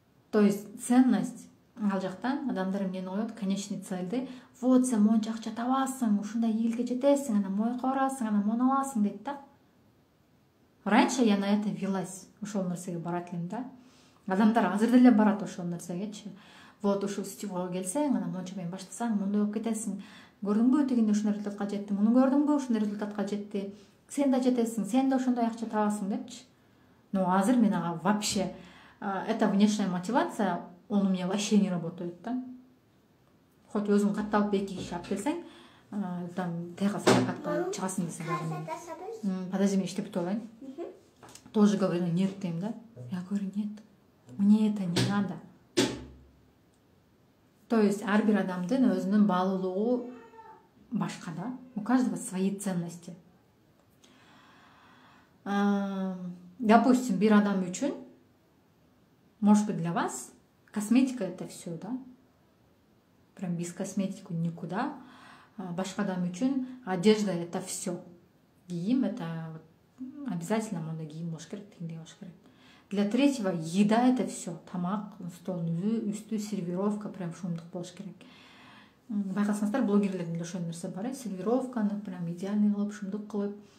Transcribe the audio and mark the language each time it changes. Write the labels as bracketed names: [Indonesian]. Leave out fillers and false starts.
[Kyrgyz] То есть ценность ал жактан адамдар эмнени коет? Конечный цельди. Вот сен моунча акча табасың, ушундай ийгилике жетесиң, анан моюнга барасың, анан моуну аласың дейт да. [Russian] Раньше я на это велась, [Kyrgyz] ушол нерсеге барат элем да. Адамдар азыр деле барат ошол нерсегечи. Вот ушул сетевойго келсең, анан моунча менен баштасаң, мындай болуп кетесиң. Көрдүңбү дегенде ушундай результатка жетти, муну көрдүңбү ушундай результатка жетти. Сен да жетесиң, сен да ошондой акча табасың депчи. [Russian] Но [Kyrgyz] азыр мен ага [Russian] вообще, это внешняя мотивация, он у меня вообще не работает да. [Kyrgyz] Хоть өзүң катталып эки киши алып келсең, там тега саякатка чыгасың десең. Подожди, мен иштеп бүтүп алайын. [Russian] Тоже говорю, нет [Kyrgyz] дейм да. [Russian] Я говорю, нет, мне это не надо. [Kyrgyz] То есть ар бир адамдын өзүнүн баалуулугу башка да. [Russian] У каждого свои ценности. Допустим, [Kyrgyz] бир адам үчүн, [Russian] может быть, для вас косметика это все, да? Прям без косметики никуда. [Kyrgyz] Башкадам үчүн [Russian] одежда это все. [Kyrgyz] Гийим это обязательно мондай гийим болуш керек, тигиндей болуш керек. [Russian] Для третьего еда это все. [Kyrgyz] Тамак, стол, үстү, сервировка прям шумдук болуш керек. Байкасаңыздар блогерлердин да ошондой нерсе бар, сервировканы прям идеальный кылып, шумдук кылып.